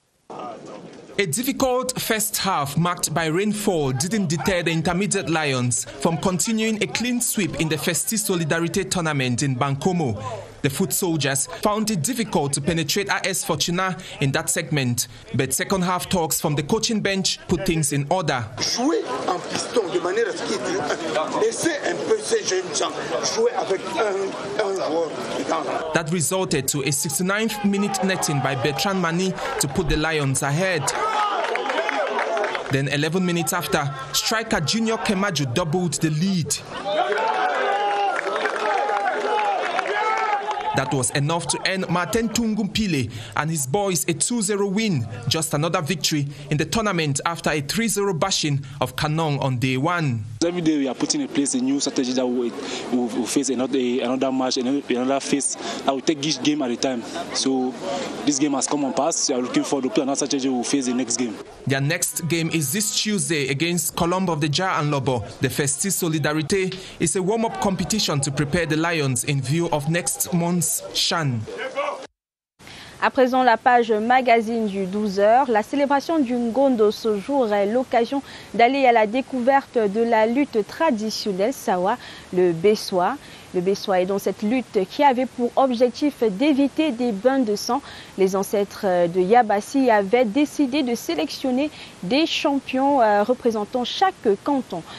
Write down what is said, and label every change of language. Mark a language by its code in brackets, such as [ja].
[en] A difficult first half marked by rainfall didn't deter the Intermediate Lions from continuing a clean sweep in the Festi Solidarité Tournament in Bankomo. the foot soldiers, found it difficult to penetrate AS Fortuna in that segment. But second half talks from the coaching bench put things in order. [fr] Jouer en piston de manière à ce qu'il dure. Laissez un peu ces jeunes gens jouer avec un joueur. [en] That resulted to a 69th minute netting by Bertrand Mani to put the Lions ahead. Then 11 minutes after, striker Junior Kemaju doubled the lead. That was enough to end Martin Tungumpile and his boys a 2-0 win, just another victory in the tournament after a 3-0 bashing of Kanong on day one. Every day we are putting in place a new strategy that we'll face another match, another phase. That we take each game at a time. So this game has come and passed. So we are looking forward to play another strategy we'll face the next game. Their next game is this Tuesday against Colombo of the Jar and Lobo. The Festi Solidarite is a warm-up competition to prepare the Lions in view of next month. [fr] À présent, la page magazine du 12 heures. La célébration du Ngondo ce jour est l'occasion d'aller à la découverte de la lutte traditionnelle Sawa, le Bessoa. Le Bessoa est donc cette lutte qui avait pour objectif d'éviter des bains de sang. Les ancêtres de Yabassi avaient décidé de sélectionner des champions représentant chaque canton.